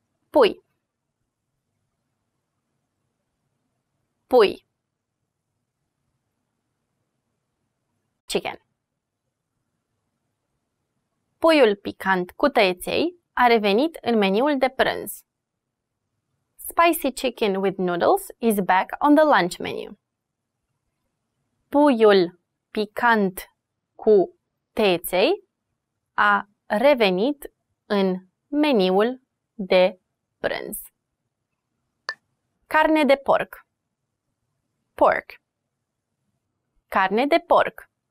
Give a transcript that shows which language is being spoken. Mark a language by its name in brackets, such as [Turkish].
[Romanian] Pui. Pui. [English] Chicken. [Romanian] Puiul picant cu tăieței a revenit în meniul de prânz. [English] Spicy chicken with noodles is back on the lunch menu. [Romanian] Puiul picant cu tăieței a revenit în meniul de prânz. Carne de porc. Pork. Carne de porc.